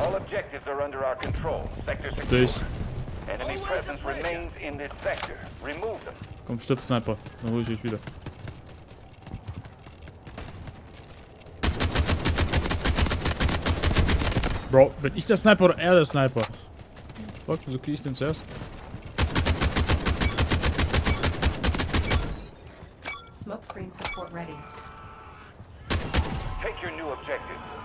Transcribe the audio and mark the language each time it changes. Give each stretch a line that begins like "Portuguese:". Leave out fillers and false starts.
English: All objectives are under our control. Sector secure. Enemy presence remains in this sector. Remove them.
German: Komm, stirb Sniper, dann hol ich dich wieder. Bro, bin ich der Sniper oder er der Sniper? Fuck, wieso krieg ich den zuerst?
English: Smoke screen support ready. Take your new objective.